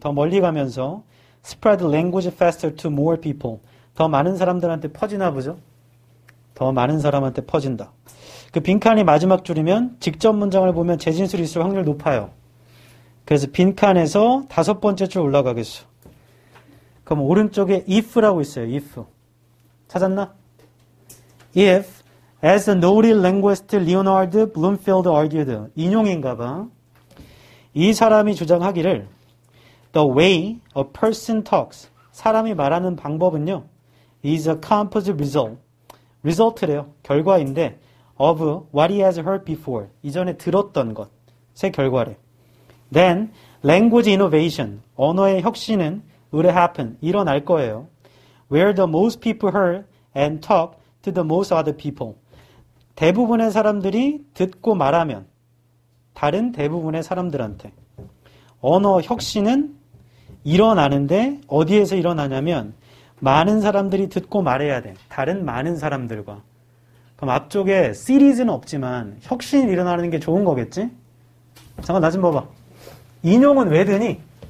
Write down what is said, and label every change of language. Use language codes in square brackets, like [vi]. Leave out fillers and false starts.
[ko] 더 멀리 가면서, [en] spread language faster to more people. [ko] 더 많은 사람들한테 퍼지나 보죠? 더 많은 사람한테 퍼진다. 그 빈칸이 마지막 줄이면 직접 문장을 보면 재진술이 있을 확률 높아요. 그래서 빈칸에서 다섯 번째 줄 올라가겠어. 그럼 오른쪽에 if라고 있어요. if. 찾았나? [en] if as the noted linguist Leonard Bloomfield argued. [ko] 인용인가 봐. 이 사람이 주장하기를 [en] the way a person talks. [ko] 사람이 말하는 방법은요. [en] is a composite result. [ko] result래요. 결과인데 [en] of what he has heard before. [ko] 이전에 들었던 것의 결과래. [en] Then, language innovation. [ko] 언어의 혁신은 [en] will happen. [ko] 일어날 거예요. [en] Where the most people hear and talk to the most other people. [ko] 대부분의 사람들이 듣고 말하면 다른 대부분의 사람들한테. 언어 혁신은 일어나는데 어디에서 일어나냐면 많은 사람들이 듣고 말해야 돼. 다른 많은 사람들과. 그럼 앞쪽에 시리즈는 없지만 혁신이 일어나는 게 좋은 거겠지? 잠깐 나 좀 봐봐. 인용은 왜 드니?